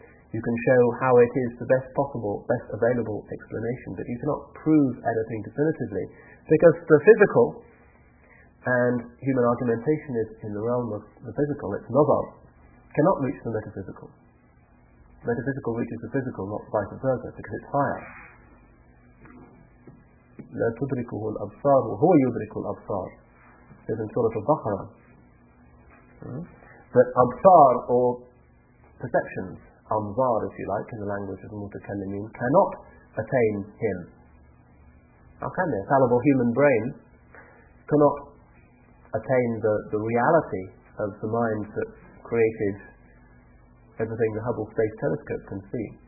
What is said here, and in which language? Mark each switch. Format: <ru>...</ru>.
<en>You can show how it is the best possible, best available explanation, but you cannot prove anything definitively, because the physical and human argumentation is in the realm of the physical, it's novel, cannot reach the metaphysical. Metaphysical reaches the physical, not vice versa, because it's higher.</en> <ar>لَا تُدْرِكُهُ الْأَبْصَارُ هُوَ يُدْرِكُ الْأَبْصَارُ</ar> <en>is in Surah Al-Baqarah. That absar, or perceptions, amzar if you like, in the language of the Mutakallimeen, cannot attain him. How can they? A fallible human brain cannot attain the reality of the mind that created everything the Hubble Space Telescope can see.</en>